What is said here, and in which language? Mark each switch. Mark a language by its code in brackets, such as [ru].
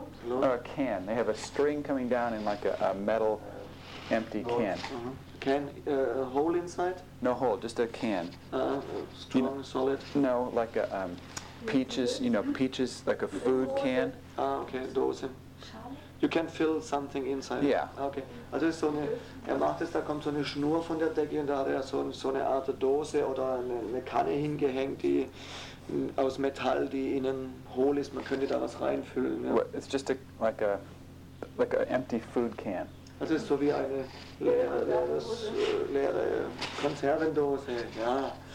[en] Or a can. They have a string coming down in like a metal empty can. Uh-huh. Can, a hole inside? No hole, just a can. Strong, you know, solid? No, like a peaches, you know, peaches, like a food can. Ah, okay, Dose. You can fill something inside. Yeah. [de] Okay, also ist so eine, er macht es, da kommt so eine Schnur von der Decke und da hat er so eine Art Dose oder eine Kanne hingehängt, die aus Metall, die innen hohl ist, man könnte da was reinfüllen. Ja. [en] It's just a, like a, like an empty food can. [de] Also ist so wie eine leere Konservendose, ja.